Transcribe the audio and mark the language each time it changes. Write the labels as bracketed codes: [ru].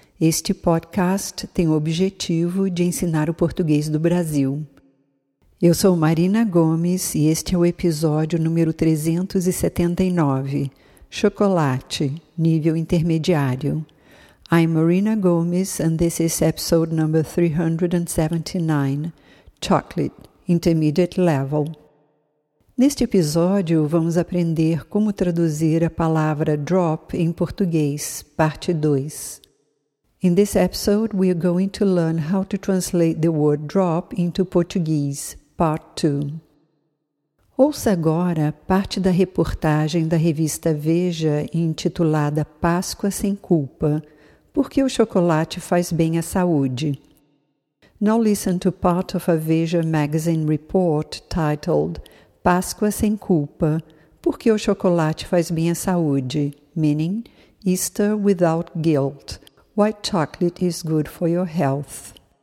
[pt] Este podcast tem o objetivo de ensinar o português do Brasil. Eu sou Marina Gomes e este é o episódio número 379, Chocolate, Nível Intermediário. [en] I'm Marina Gomes and this is episode number 379, Chocolate, Intermediate Level. [pt] Neste episódio, vamos aprender como traduzir a palavra drop em português, parte 2. [en] In this episode, we are going to learn how to translate the word drop into Portuguese, part 2. [pt] Ouça agora parte da reportagem da revista Veja intitulada Páscoa Sem Culpa, porque o chocolate faz bem à saúde. [en] Now listen to part of a Veja magazine report titled [pt] Páscoa Sem Culpa, porque o chocolate faz bem à saúde, [en] meaning Easter Without Guilt, why chocolate is good for your health.